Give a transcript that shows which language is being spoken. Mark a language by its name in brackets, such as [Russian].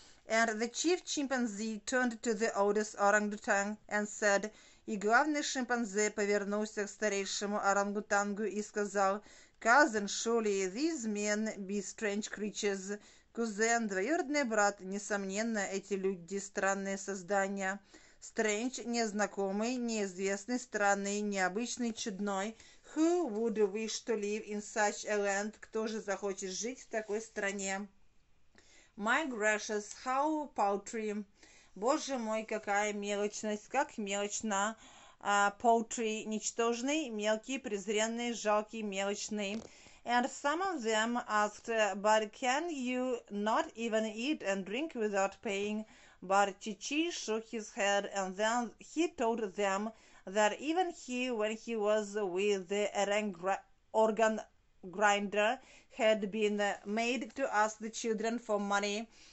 [English] And the chief chimpanzee turned to the oldest orangutan and said, [Russian] и главный шимпанзе повернулся к старейшему орангутангу и сказал, [English] cousin, surely these men be strange creatures. [Russian] Кузен, двоюродный брат, несомненно, эти люди странные создания. Strange, незнакомый, неизвестный, странный, необычный, чудной. [English] Who would wish to live in such a land? [Russian] Кто же захочет жить в такой стране? [English] My gracious, how paltry. [Russian] Боже мой, какая мелочность, как мелочно. Paltry, ничтожный, мелкий, презренный, жалкий, мелочный. [English] And some of them asked, but can you not even eat and drink without paying? But Chi-Chi shook his head, and then he told them that even he, when he was with the organ grinder, had been made to ask the children for money.